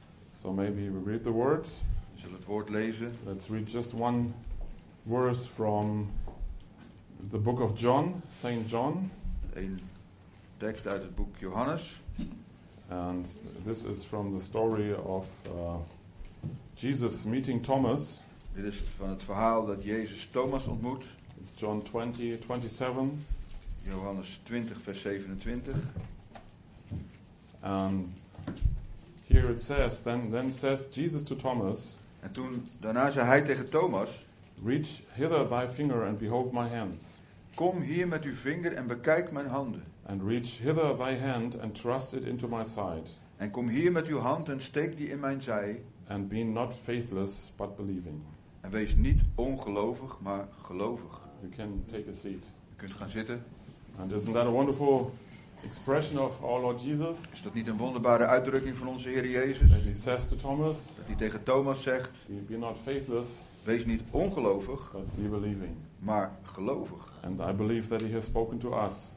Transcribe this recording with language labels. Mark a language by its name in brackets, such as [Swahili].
[English] So maybe we read the word. [Dutch] Zullen het woord lezen? [English] Let's read just one verse from the book of John, Saint John. [Dutch] Een tekst uit het boek Johannes. [English] And this is from the story of Jesus meeting Thomas. [Dutch] Dit is van het verhaal dat Jezus Thomas ontmoet. [English] It's John 20, 27. [Dutch] Johannes 20, vers 27. [English] Here it says, then says Jesus to Thomas. [Dutch] En toen daarna zei hij tegen Thomas. [English] Reach hither thy finger and behold my hands. [Dutch] Kom hier met uw vinger en bekijk mijn handen. [English] And reach hither thy hand and thrust it into my side. [Dutch] En kom hier met uw hand en steek die in mijn zij. [English] And be not faithless but believing. [Dutch] En wees niet ongelovig maar gelovig. [English] You can take a seat. [Dutch] U kunt gaan zitten. [English] And isn't that a wonderful expression of our Lord Jesus? [Dutch] Is dat niet een wonderbare uitdrukking van onze Heer Jezus? [English] That he says to Thomas, [Dutch] dat hij tegen Thomas zegt, [English] be not faithless, [Dutch] wees niet ongelovig, [English] but be believing. [Dutch] Maar gelovig. [English] And I believe that he has spoken to us.